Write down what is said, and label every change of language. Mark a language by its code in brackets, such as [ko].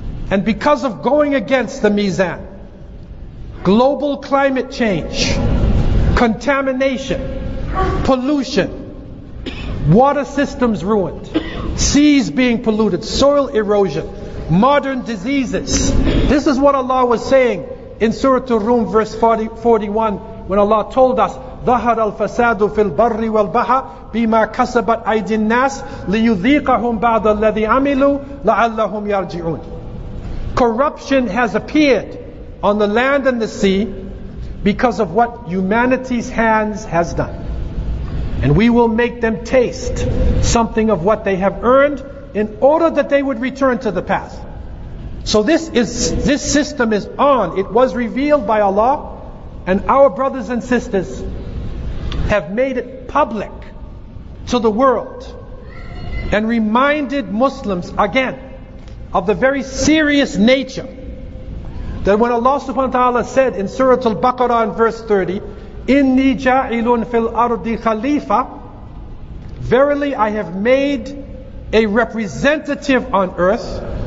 [en] And because of going against the mizan, global climate change, contamination, pollution, water systems ruined, seas being polluted, soil erosion, modern diseases. This is what Allah was saying in Surah Ar-Rum, verse 40, 41, when Allah told us, [ar] ظهر الفساد في البر والبحر بما كسبت أيدي الناس ليذيقهم بعض الذي عملوا لعلهم يرجعون. [en] Corruption has appeared on the land and the sea because of what humanity's hands has done. And we will make them taste something of what they have earned in order that they would return to the path. So this system is on. It was revealed by Allah, and our brothers and sisters have made it public to the world and reminded Muslims again of the very serious nature that when Allah subhanahu wa ta'ala said in Surah Al-Baqarah in verse 30, [ar] إِنِّي جَاعِلٌ فِي الْأَرْضِ خَلِيفَةً, [en] verily I have made a representative on earth.